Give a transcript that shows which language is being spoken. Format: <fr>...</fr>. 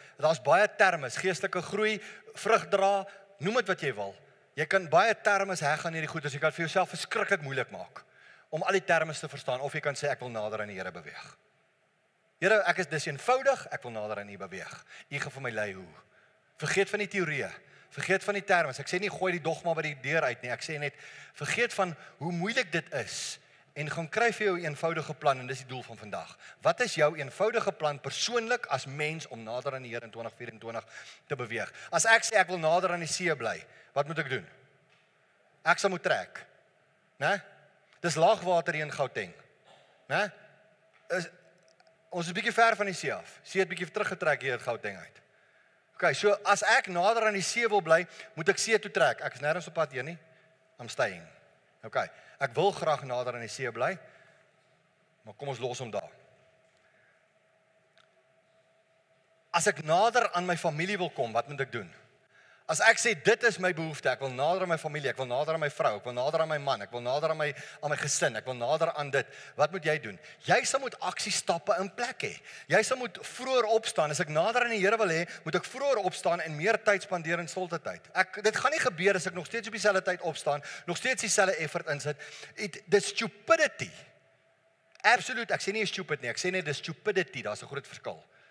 <af>Daar's baie termes, geestelike groei, vrug dra, noem dit wat jy wil. Jy kan baie termes heg aan hierdie goeders. Jy kan vir jouself verskriklik moeilik maak om al die termes te verstaan of jy kan sê ek wil nader aan die Here beweeg. Here, ek is dis eenvoudig, ek wil nader aan U beweeg. U gee vir my lei hoe. Vergeet van die teorieë. Vergeet van die terme. Ek sê nie gooi die dogma by die deur uit nie. Ek sê net vergeet van hoe moeilik dit is en gaan kry vir jou 'n eenvoudige plan en dis die doel van vandag. Wat is jou eenvoudige plan persoonlik as mens om nader aan die Here in 2024 te beweeg? As ek sê ek wil nader aan die see bly, wat moet ek doen? Ek sal moet trek. Né? Dis laagwater hier in Gauteng. Né? Ons is 'n bietjie ver van die see af. See het bietjie teruggetrek hier in Gauteng uit. OK, so as ek nader aan die see wil bly, moet ek see toe trek. Ek is nêrens op pad hier nie.</af> <en>I'm staying.</en> <af>OK. Ek wil graag nader aan die see bly. Maar kom ons los hom daar. As ek nader aan my familie wil kom, wat moet ek doen? As ek sê dit is my behoefte, ek wil nader aan my familie, ek wil nader aan my vrou, ek wil nader aan my man, ek wil nader aan my gesin, ek wil nader aan dit. Wat moet jy doen? Jy sal moet aksiestappe in plek hê. Jy sal moet vroeër opstaan. As ek nader aan die Here wil hê, moet ek vroeër opstaan en meer tyd spandeer in stilte tyd. Dit gaan nie gebeur as ek nog steeds op dieselfde tyd opstaan, nog steeds dieselfde effort insit. Dis stupidity. Absoluut, ek sê nie stupid nie, ek sê net dis stupidity. Daar's 'n groot verskil.</af>